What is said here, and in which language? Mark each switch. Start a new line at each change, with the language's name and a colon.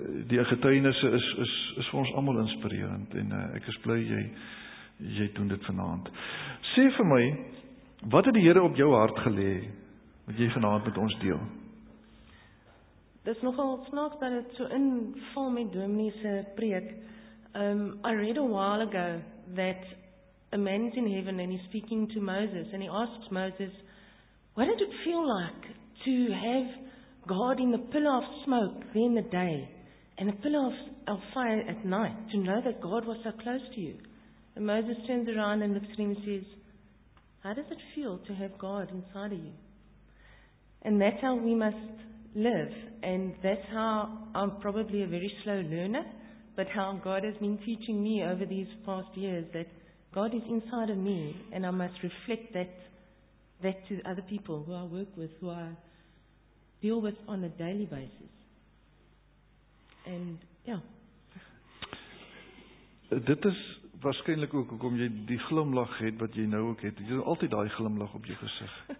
Afrikaans: Die getuienisse is vir ons allemaal inspirerend, en ek is blij jy doen dit vanavond. Sê vir my, wat het die Here op jou hart gelê, wat jy vanavond met ons deel? Dit is nogal snaaks dat het so inval met Dominee preek.
English: I read a while ago that a man's in heaven and he's speaking to Moses and he asks Moses, what did it feel like to have God in the pillar of smoke there in the day and the pillar of fire at night, to know that God was so close to you? And Moses turns around and looks at him and says, how does it feel to have God inside of you? And that's how we must live. And that's how I'm probably a very slow learner, but how God has been teaching me over these past years, that God is inside of me and I must reflect that to other people who I work with, who I deal with on a daily basis. And, yeah.
Afrikaans: Dit is waarskynlik ook hoekom jy die glimlag het wat jy nou ook het. Jy het altyd daai glimlag op jou gesig.